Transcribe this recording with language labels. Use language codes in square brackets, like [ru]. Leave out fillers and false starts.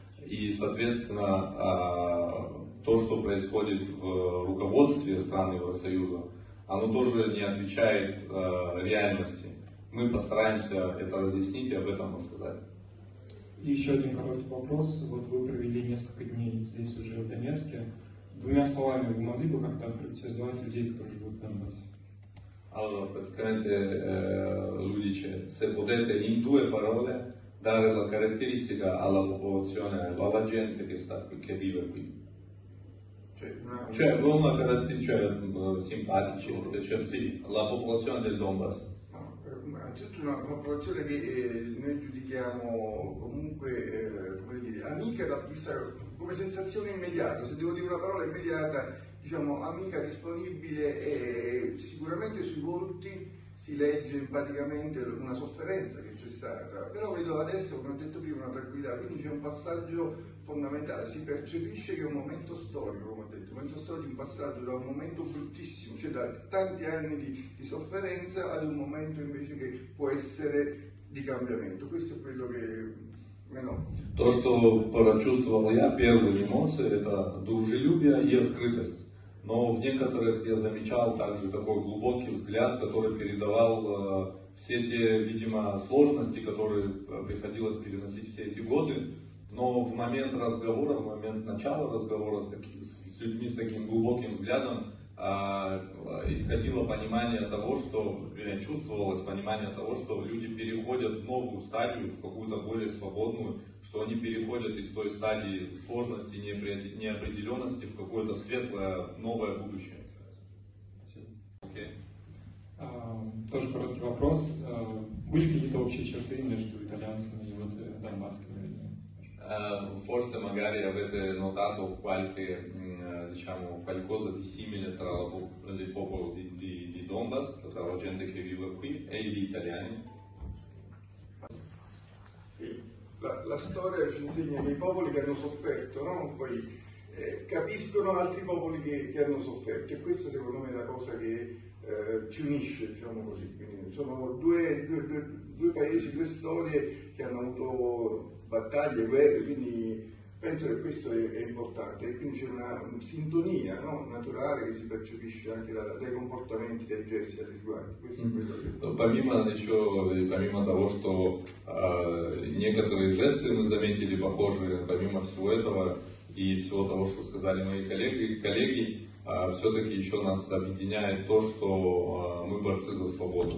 [ru] И, соответственно, то, что происходит в руководстве стран Евросоюза, оно тоже не отвечает реальности. Мы постараемся это разъяснить и об этом рассказать. Еще один короткий вопрос. Вот вы провели несколько дней здесь уже в Донецке. Двумя словами, вы могли бы как-то характеризовать людей, которые живут в Донбассе? [it] Allora, praticamente lui dice, se potete in due parole dare la caratteristica alla popolazione, alla gente che sta qui, che vive qui. Cioè, una caratteristica, simpatici, cioè, sì, la popolazione del Donbass. Certo, una popolazione che noi giudichiamo comunque, come dire, amica da vista, come sensazione immediata, se devo dire una parola immediata, diciamo amica, disponibile, e sicuramente sui volti si legge empaticamente una sofferenza che c'è stata, però vedo adesso, come ho detto prima, una tranquillità, quindi c'è un passaggio fondamentale, si percepisce che è un momento storico, come ho detto, un momento storico, un passaggio da un momento bruttissimo, cioè da tanti anni di sofferenza ad un momento invece che può essere di cambiamento. Questo è quello che meno. [ru] То, что почувствовал я, первые эмоции, это дружелюбие и открытость. Но в некоторых я замечал также такой глубокий взгляд, который передавал все те, видимо, сложности, которые приходилось переносить все эти годы. Но в момент разговора, в момент начала разговора с людьми с таким глубоким взглядом исходило понимание того, что, вернее, чувствовалось понимание того, что люди переходят в новую стадию, в какую-то более свободную, что они переходят из той стадии сложности, неопределенности в какое-то светлое, новое будущее. Okay. Тоже короткий вопрос. Были какие-то общие черты между итальянцами и вот донбасскими? [it] Forse magari avete notato qualche, diciamo, qualcosa di simile tra il popolo di Donbass, tra la gente che vive qui e gli italiani. La storia ci insegna che i popoli che hanno sofferto, no? Poi capiscono altri popoli che hanno sofferto, e questa secondo me è la cosa che ci unisce, diciamo così. Quindi sono due paesi, due storie che hanno avuto battaglie, guerre, quindi Penso che questo è importante, quindi c'è una sintonia, no? Naturale che si percepisce anche dai comportamenti, dai gesti, dagli sguardi. [ru] Помимо ничего, помимо того, что некоторые жесты мы заметили похожие, помимо всего этого и всего того, что сказали мои коллеги, все-таки еще нас объединяет то, что мы борцы за свободу.